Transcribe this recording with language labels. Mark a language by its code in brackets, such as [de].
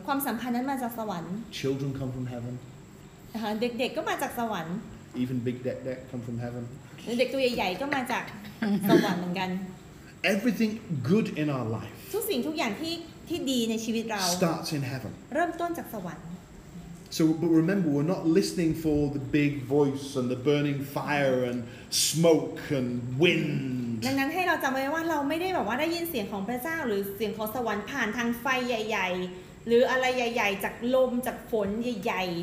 [th] ความสัมพันธ์นั้นมาจากสวรรค์ [en] Children come from heaven [th] เด็กๆก็มาจากสวรรค์ [en] Even big dead come from heaven [th] เด็กตัวใหญ่ๆก็มาจากสวรรค์เหมือนกัน [en] Everything good in our life [th] ทุกสิ่งทุกอย่างที่ดีในชีวิตเรา [en] starts in heaven [th] เริ่มต้นจากสวรรค์ [en] So, but remember, we're not listening for the big voice and the burning fire and smoke and wind. [th] ดังนั้นให้เราจำไว้ว่าเราไม่ได้แบบว่าได้ยินเสียงของพระเจ้าหรือเสียงของสวรรค์ผ่านทางไฟใหญ่ๆหรืออะไรใหญ่ๆจากลมจากฝนใหญ่